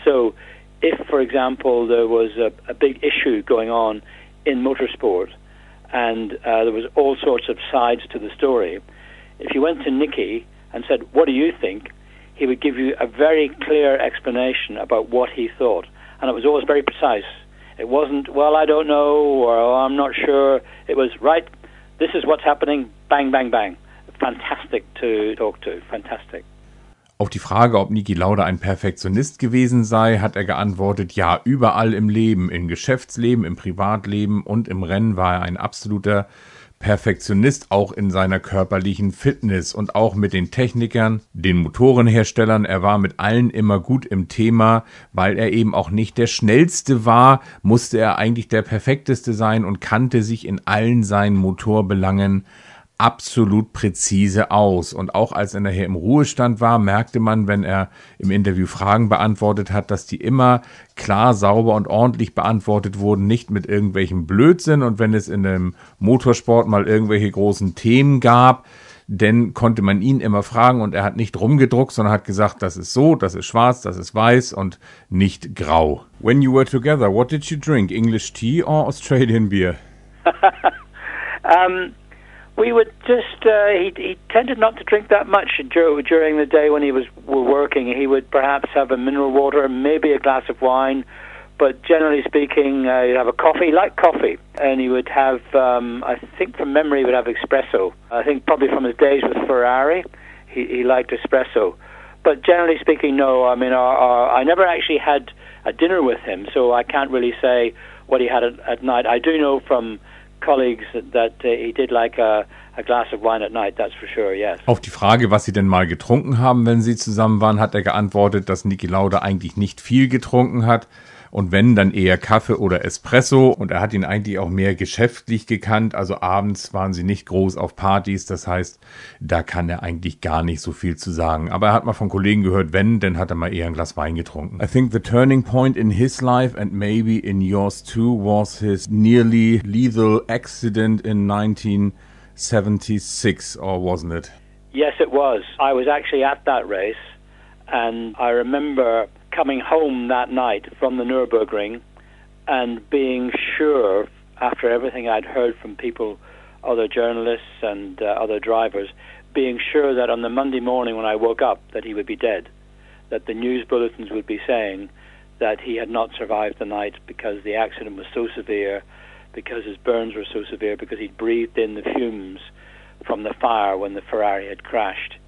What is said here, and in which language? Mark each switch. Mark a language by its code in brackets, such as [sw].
[en] So if, for example, there was a big issue going on in motorsport, and there was all sorts of sides to the story, if you went to Niki and said, what do you think? He would give you a very clear explanation about what he thought. And it was always very precise. It wasn't, well, I don't know, or oh, I'm not sure. It was, right, this is what's happening, bang, bang, bang. Fantastic to talk to, fantastic. [de] Auf die Frage, ob Niki Lauda ein Perfektionist gewesen sei, hat er geantwortet, ja, überall im Leben, im Geschäftsleben, im Privatleben und im Rennen war er ein absoluter Perfektionist, auch in seiner körperlichen Fitness und auch mit den Technikern, den Motorenherstellern. Er war mit allen immer gut im Thema, weil er eben auch nicht der Schnellste war, musste er eigentlich der Perfekteste sein und kannte sich in allen seinen Motorbelangen absolut präzise aus. Und auch als er nachher im Ruhestand war, merkte man, wenn er im Interview Fragen beantwortet hat, dass die immer klar, sauber und ordentlich beantwortet wurden, nicht mit irgendwelchem Blödsinn. Und wenn es in dem Motorsport mal irgendwelche großen Themen gab, dann konnte man ihn immer fragen und er hat nicht rumgedruckt, sondern hat gesagt, das ist so, das ist schwarz, das ist weiß und nicht grau. [en] When you were together, what did you drink? English tea or Australian beer? We would just, he tended not to drink that much during the day when he was working. He would perhaps have a mineral water, maybe a glass of wine, but generally speaking, he'd have a coffee, like coffee, and he would have, I think from memory, he would have espresso. I think probably from his days with Ferrari, he liked espresso. But generally speaking, no, I mean, I never actually had a dinner with him, so I can't really say what he had at night. I do know from colleagues that he did like a glass of wine at night, that's for sure, yes. [de] Auf die Frage, was sie denn mal getrunken haben, wenn sie zusammen waren, hat er geantwortet, dass Niki Lauda eigentlich nicht viel getrunken hat. Und wenn, dann eher Kaffee oder Espresso. Und er hat ihn eigentlich auch mehr geschäftlich gekannt. Also abends waren sie nicht groß auf Partys. Das heißt, da kann er eigentlich gar nicht so viel zu sagen. Aber er hat mal von Kollegen gehört, wenn, dann hat er mal eher ein Glas Wein getrunken. [en] I think the turning point in his life and maybe in yours too was his nearly lethal accident in 1976, or wasn't it? Yes, it was. I was actually at that race. And I remember coming home that night from the Nürburgring and being sure, after everything I'd heard from people, other journalists and other drivers, being sure that on the Monday morning when I woke up that he would be dead, that the news bulletins would be saying that he had not survived the night because the accident was so severe, because his burns were so severe, because he'd breathed in the fumes from the fire when the Ferrari had crashed.